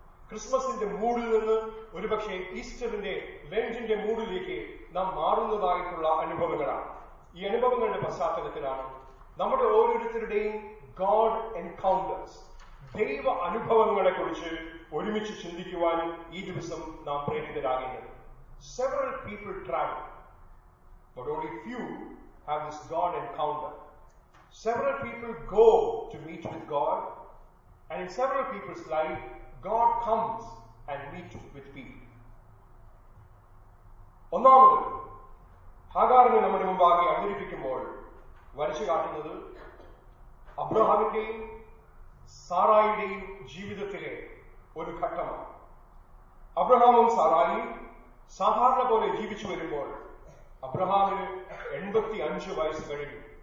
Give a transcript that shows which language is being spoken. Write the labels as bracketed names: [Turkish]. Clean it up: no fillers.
[Malayalam] ക്രിസ്മസിന്റെ മൂഡിൽ നിന്ന് ഒരുപക്ഷെ ഈസ്റ്ററിന്റെ ലെൻറ്റിന്റെ മൂഡിലേക്ക് നാം മാറുന്നതായിട്ടുള്ള അനുഭവങ്ങളാണ്. ഈ അനുഭവങ്ങളുടെ പശ്ചാത്തലത്തിലാണ് നമ്മുടെ ഓരോരുത്തരുടെയും ഗോഡ് എൻകൗണ്ടേഴ്സ്, ദൈവ അനുഭവങ്ങളെക്കുറിച്ച് ഒരുമിച്ച് ചിന്തിക്കുവാനും ഈ ദിവസം നാം പ്രേരിതരാകുന്നത്. [English] Several people travel, but only few have this God encounter. Several people go to meet with God, and in several people's life, God comes and meets with people. [Malayalam] ഒന്നാമത് ഹാഗാറിനെ നമ്മുടെ മുമ്പാകെ അവതരിപ്പിക്കുമ്പോൾ വരച്ചു കാട്ടുന്നത് അബ്രഹാമിന്റെയും സാറായിയുടെയും ജീവിതത്തിലെ ഒരു ഘട്ടമാണ്. അബ്രഹാമും സാറായിയും സാധാരണ പോലെ ജീവിച്ചു വരുമ്പോൾ അബ്രഹാമിന് 85 വയസ്സ് കഴിഞ്ഞു.